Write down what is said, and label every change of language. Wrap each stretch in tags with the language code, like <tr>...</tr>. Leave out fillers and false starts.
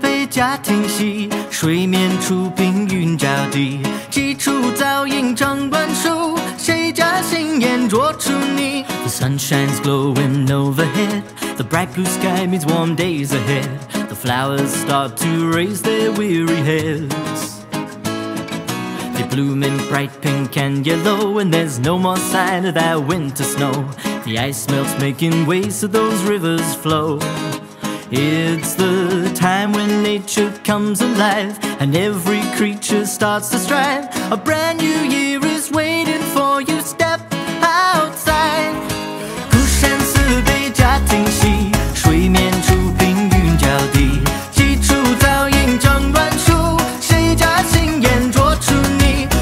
<zh>贾亭西，水面初平云脚低，几处早莺争暖树，谁家新燕啄春泥。</zh> <en>The sun shines glowing overhead, the bright blue sky means warm days ahead, the flowers start to raise their weary heads, they bloom in bright pink and yellow, and there's no more sign of that winter snow, the ice melts making way so those rivers flow. It's the time when nature comes alive and every creature starts to strive. A brand new year is waiting for you. Step outside.</en> <zh>孤山寺北贾亭西，水面初平云脚低，几处早莺争暖树，谁家新燕啄春泥。</zh>